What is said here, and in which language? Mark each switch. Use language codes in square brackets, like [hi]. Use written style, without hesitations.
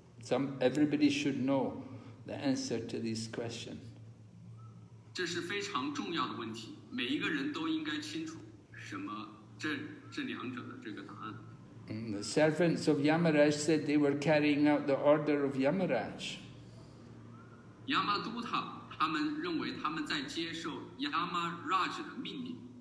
[en] Everybody should know the answer to this question. [zh] 这是非常重要的问题, 每一个人都应该清楚这两者的这个答案。 [en] The servants of Yamaraj said they were carrying out the order of Yamaraj. [zh] 亚玛都塔他们认为他们在接受亚玛拉什的命令。